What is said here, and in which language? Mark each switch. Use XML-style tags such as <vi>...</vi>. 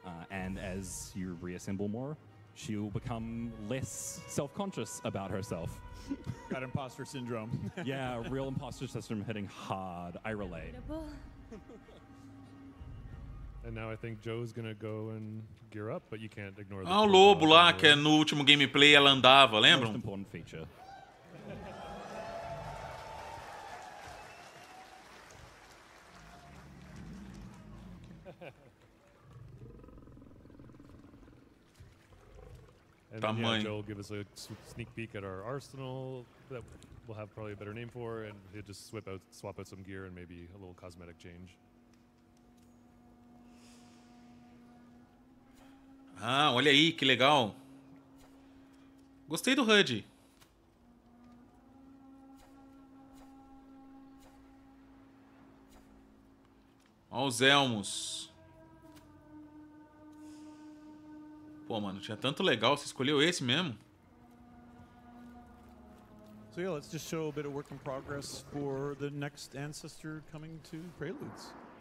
<en>And as you reassemble more, she'll become less self-conscious about herself. Got imposter syndrome. Yeah, real imposter syndrome hitting hard. I relate. And now I think Joe's gonna go and gear up, but you can't ignore the</en> <pt>ah, o lobo lá, que é no último gameplay ela andava, lembram?</pt> <en>Most important feature. And then, yeah, Joe will give us a sneak peek at our arsenal that we'll have probably a better name for, and he'll just swap out some gear and maybe a little cosmetic change.</en> <pt>Ah, olha aí, que legal. Gostei do HUD. Olha os elmos. Pô, mano, tinha tanto legal, você escolheu esse mesmo?</pt> <en>So yeah, let's just show a bit of work in progress for the next ancestor coming to Preludes.</en>